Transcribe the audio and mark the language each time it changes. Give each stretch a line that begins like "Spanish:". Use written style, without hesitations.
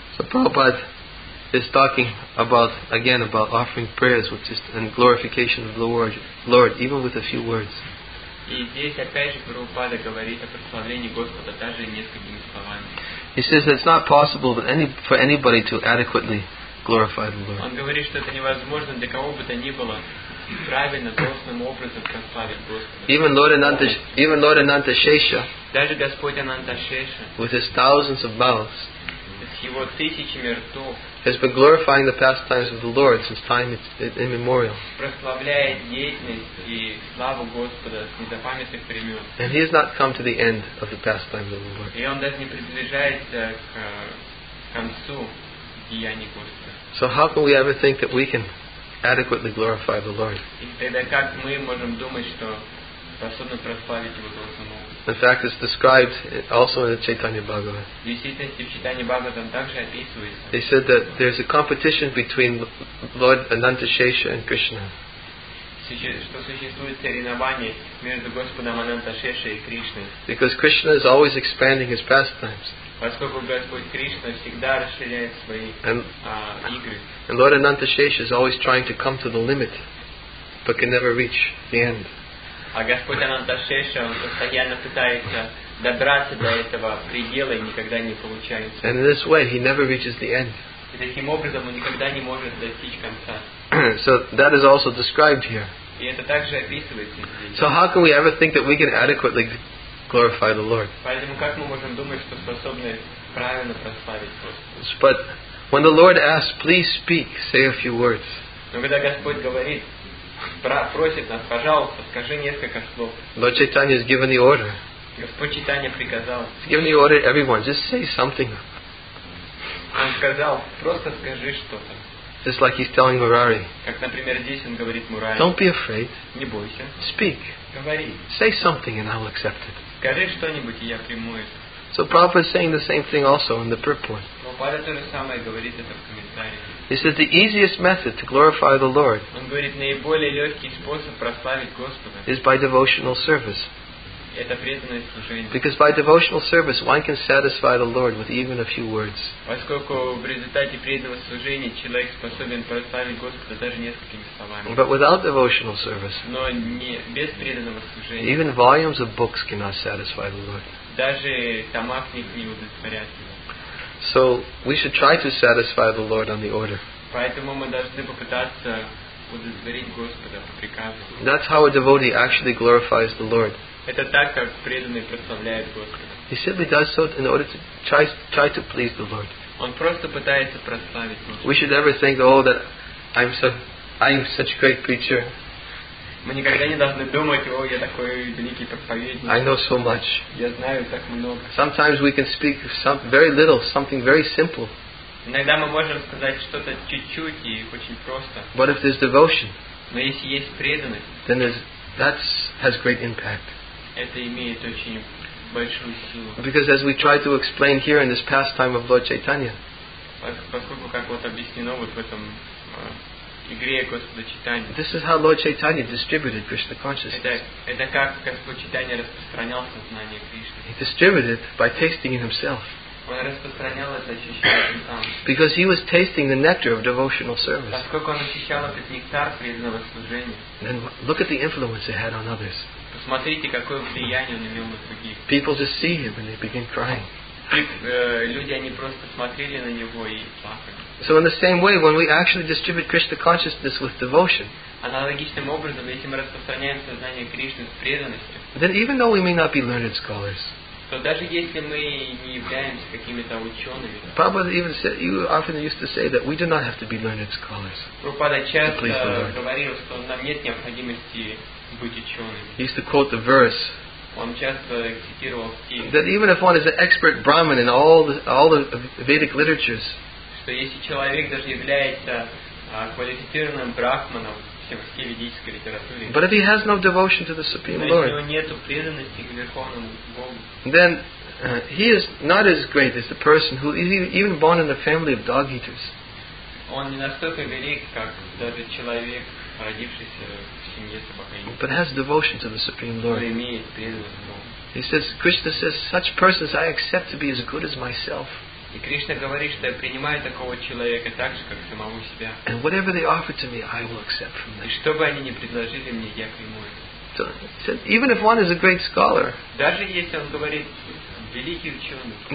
English: Prabhupada is talking about offering prayers which is, and glorification of the Lord, even with a few words.
Russian: И здесь опять же Прабхупада говорит о прославлении Господа даже несколькими словами.
English: He says it's not possible for anybody to adequately glorify the Lord.
Russian: Он говорит, что это невозможно для кого бы то ни было правильно, должным образом прославить Господа.
English: Even Lord Ananta Shesha.
Russian: Даже Господь Ананта Шеша.
English: With his thousands of mouths.
Russian: С его тысячами ртов.
English: Has been glorifying the pastimes of the Lord since time immemorial.
Russian: Прославляет деятельность и славу Господа с незапамятных времен.
English: And he has not come to the end of the pastimes of the Lord.
Russian: И он даже не приближается к концу деяний Господа.
English: So how can we ever think that we can adequately glorify the Lord?
Russian: И тогда как мы можем думать, что способны прославить его должным образом?
English: In fact, it's described also in the Chaitanya Bhagavat.
Russian: В действительности, в Чайтанья Бхагаватам также описывается.
English: They said that there's a competition between Lord Ananta Shesha and Krishna.
Russian: что существует соревнование между Господом Ананта Шеши и Кришной.
English: Because Krishna is always expanding his pastimes.
Russian: Поскольку Господь Кришна всегда расширяет свои игры.
English: And Lord Ananta Shesha is always trying to come to the limit, but can never reach the end.
Russian: А Господь Ананта Шеша постоянно пытается добраться до этого предела и никогда не получается.
English: And in this way, he never reaches the end.
Russian: И таким образом он никогда не может достичь конца.
English: So that is also described here.
Russian: И это также описывается здесь.
English: So how can we ever think that we can adequately glorify the Lord?
Russian: Поэтому как мы можем думать, что способны правильно прославить Господа?
English: But when the Lord asks, please speak, say a few words.
Russian: Но когда Господь говорит, просит нас, пожалуйста, скажи несколько слов.
English: Lord Chaitanya has given the order.
Russian: Господь Чайтанья приказал.
English: He's given the order, everyone, just say something.
Russian: Он сказал, просто скажи что-то.
English: Just like he's telling Murari.
Russian: Как, например, здесь он говорит Мурари.
English: Don't be afraid.
Russian: Не бойся.
English: Speak.
Russian: Говори.
English: Say something and I'll accept it.
Russian: Скажи что-нибудь, и я приму это.
English: So Prabhupada is saying the same thing also in the purport.
Russian: Прабхупада то же самое говорит это в комментариях.
English: He says the easiest method to glorify the Lord.
Russian: Он говорит, наиболее легкий способ прославить Господа.
English: Is by devotional service.
Russian: Это преданное служение.
English: Because by devotional service, one can satisfy the Lord with even a few words.
Russian: Поскольку в результате преданного служения человек способен прославить Господа даже несколькими словами.
English: But without devotional service,
Russian: но не без преданного служения,
English: even volumes of books cannot satisfy the Lord.
Russian: Даже тома книг не удовлетворят его.
English: So we should try to satisfy the Lord on the order.
Russian: Поэтому мы должны попытаться удовлетворить Господа по приказу.
English: That's how a devotee actually glorifies the Lord.
Russian: Это так, как преданный прославляет Господа.
English: He simply does so in order to try to please the Lord.
Russian: Он просто пытается прославить Господа.
English: We should never think, oh, that I'm such a great preacher.
Russian: Мы никогда не должны думать, о, я такой великий проповедник.
English: I know so much.
Russian: Я знаю так много.
English: Sometimes we can speak very little, something very simple.
Russian: Иногда мы можем сказать что-то чуть-чуть и очень просто.
English: But if there's devotion,
Russian: но если есть преданность,
English: then that has great impact.
Russian: Это имеет очень большую силу.
English: Because as we try to explain here in this pastime of Lord Chaitanya,
Russian: поскольку как вот объяснено вот в этом игре Господа Чайтаньи.
English: This is how Lord Chaitanya distributed Krishna consciousness.
Russian: Это как Господь Чайтанья распространял сознание Кришны.
English: He distributed by tasting it himself.
Russian: Он распространял это ощущение сам.
English: Because he was tasting the nectar of devotional service.
Russian: Поскольку он ощущал этот нектар преданного служения.
English: Then look at the influence it had on others.
Russian: Посмотрите, какое влияние он имел на других.
English: People just see him and they begin crying.
Russian: Люди, они просто смотрели на него и плакали.
English: So in the same way, when we actually distribute Krishna consciousness with devotion,
Russian: аналогичным образом, если мы распространяем сознание Кришны с преданностью,
English: then even though we may not be learned scholars,
Russian: то даже если мы не являемся какими-то учеными,
English: Prabhupada even said, you often used to say that we do not have to be learned scholars.
Russian: Прабхупада часто говорил, что нам нет необходимости быть учеными.
English: He used to quote the verse.
Russian: Он часто цитировал стих.
English: That even if one is an expert Brahmin in all the Vedic literatures,
Russian: что если человек даже является квалифицированным брахманом в всей ведической литературе,
English: but if he has no devotion to the Supreme Lord,
Russian: если у него нету преданности к Верховному Богу,
English: then he is not as great as the person who is even born in a family of dog eaters.
Russian: Он не настолько велик, как даже человек, родившийся в семье собакоедов.
English: But has devotion to the Supreme Lord.
Russian: Он имеет преданность к Богу.
English: He says, Krishna says, such persons I accept to be as good as myself.
Russian: И Кришна говорит, что я принимаю такого человека так же, как самого себя.
English: And whatever they offer to me, I will accept from them.
Russian: И что бы они ни предложили мне, я приму это.
English: So, even if one is a great scholar,
Russian: даже если он говорит, великий ученый,